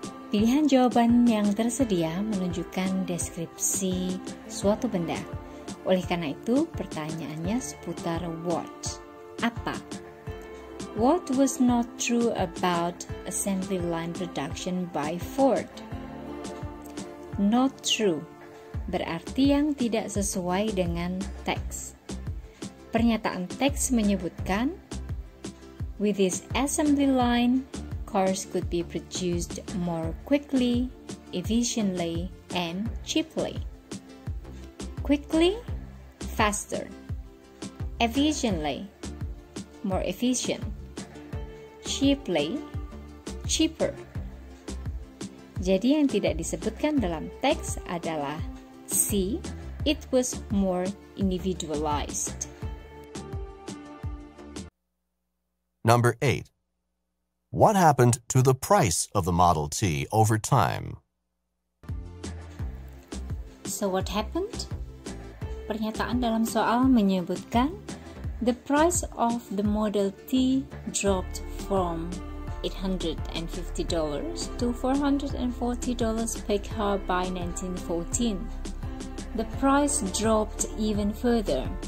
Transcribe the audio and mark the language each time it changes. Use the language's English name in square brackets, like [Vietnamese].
[Indonesian] Pilihan jawaban yang tersedia menunjukkan deskripsi suatu benda. Oleh karena itu, pertanyaannya seputar what. Apa? [English] What was not true about assembly line production by Ford? [Indonesian] Not true berarti yang tidak sesuai dengan teks. Pernyataan teks menyebutkan, [English] with this assembly line, cars could be produced more quickly, efficiently, and cheaply. Quickly, faster. Efficiently, more efficient. Cheaply, cheaper. [Indonesian] Jadi yang tidak disebutkan dalam teks adalah C, [English] it was more individualized. Number 8. What happened to the price of the Model T over time? So what happened? [Indonesian] Pernyataan dalam soal menyebutkan [English] the price of the Model T dropped from $850 to $440 per car by 1914. The price dropped even further